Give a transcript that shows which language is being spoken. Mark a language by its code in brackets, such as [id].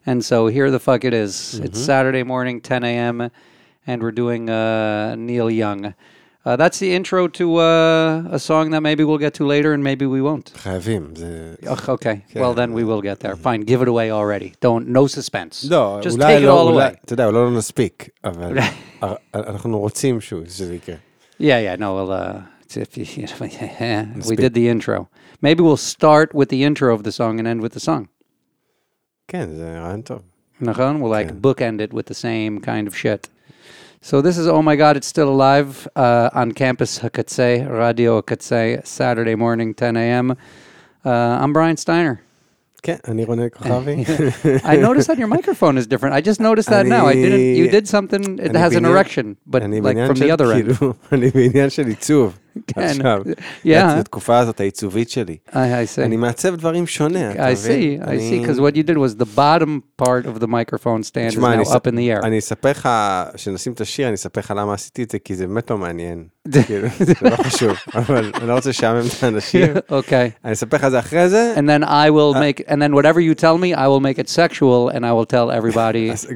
[en] And so here the fuck it is. Mm-hmm. It's Saturday morning, 10 a.m., and we're doing Neil Young. That's the intro to a song that maybe we'll get to later and maybe we won't. Chavim. Okay. Well, then we will get there. Mm-hmm. Fine. Give it away already. Don't. No suspense. No. Just take it all away. [he] אתה יודע, [en] we don't want to speak, [he] אבל אנחנו רוצים שזה יקרה. [en] Yeah, no, we'll... If you, you know, yeah, we did the intro. Maybe we'll start with the intro of the song and end with the song. [he] כן, זה רעיון טוב. נכון? [en] We'll like bookend it with the same kind of shit. So this is Oh My God, It's Still Alive on Campus Hakatze, Radio Hakatze, Saturday morning, 10 a.m. I'm Brian Steiner. [he] כן, אני רונן כוכבי. [en] I noticed that your microphone is different. I just noticed that now. You did something, it has an erection, but like from the other end. [he] אני בעניין של עיצוב. כן. עכשיו, את התקופה הזאת העיצובית שלי. [en] I see. [he] אני מעצב דברים שונה. [en] I see, because what you did was the bottom part of the microphone stand is now up in the air. [he] אני אספר לך, כשנשים את השיר, אני אספר לך למה עשיתי את זה, כי זה באמת לא מעניין. זה לא חשוב, אבל אני לא רוצה לשעמם את האנשים. [en] Okay. [he] אני אספר לך זה אחרי זה. [en] And then I will make, and then whatever you tell me, I will make it sexual, and I will tell everybody.